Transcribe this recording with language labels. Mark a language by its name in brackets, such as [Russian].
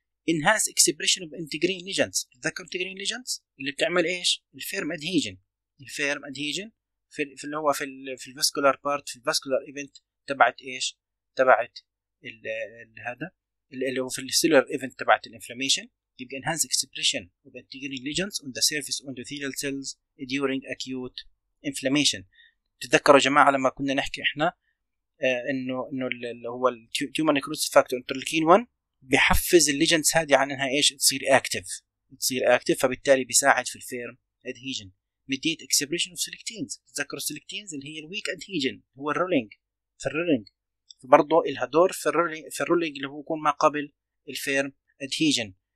[English] enhance expression of integrin ligands. [Arabic] تذكر integrin ligands اللي بتعمل ايش؟ الفيرم ادهيجن. الفيرم ادهيجن في اللي هو في الـ في الفاسكولار بارت في الفاسكولار ايفنت تبعت ايش؟ تبعت هذا اللي هو في السيلولار ايفنت تبعت الانفلاميشن. [English] يبقى enhance expression of integrin ligands on the surface endothelial cells during acute inflammation. [Arabic] تتذكروا يا جماعه لما كنا نحكي احنا انه اللي هو التيومر نيكروسيس فاكتور انترلوكين 1 بيحفز الليجنس هذه عن انها ايش تصير اكتف تصير اكتف فبالتالي بيساعد في الفيرم ادهيجن. ميديت اكسبريشن اوف سيلكتينز. تذكروا السيلكتينز اللي هي الويك ادهيجن هو الرولينج في الرولينج برضه لها دور في الرولينج في الرولينج اللي هو يكون ما قبل الفيرم ادهيجن.